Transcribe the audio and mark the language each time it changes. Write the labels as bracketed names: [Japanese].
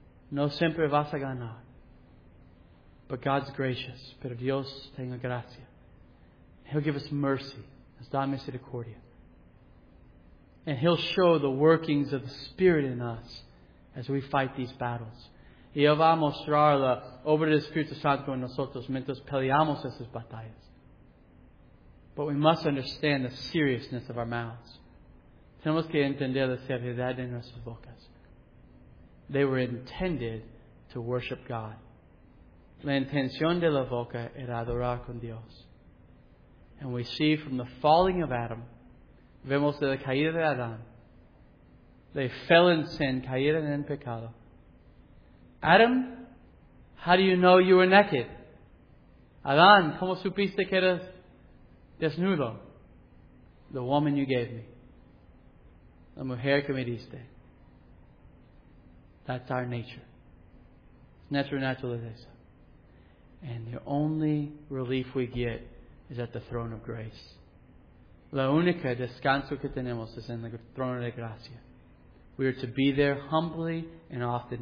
[Spanish] No siempre vas a ganar. [English] But God's gracious. [Spanish] Pero Dios tenga gracia. [English] He'll give us mercy. [Spanish] Nos da misericordia. [English] And He'll show the workings of the Spirit in us as we fight these battles. [Spanish] Y Él va a mostrar la obra del Espíritu Santo en nosotros mientras peleamos esas batallas. [English] But we must understand the seriousness of our mouths. [Spanish] Tenemos que entender la seriedad de nuestras bocas. [English] They were intended to worship God. [Spanish] La intención de la boca era adorar con Dios. [English] And we see from the falling of Adam, [Spanish] vemos de la caída de Adán. [English] They fell in sin, [Spanish] cayeron en pecado. [English] Adam, how do you know you were naked? [Spanish] Adán, ¿cómo supiste que eras desnudo? [English] The woman you gave me. [Spanish] La mujer que me diste. [English] That's our nature. It's nuestra naturaleza. And the only relief we get is at the throne of grace. [Spanish] La única descanso que tenemos es en el trono de gracia. [English] We are to be there humbly and often.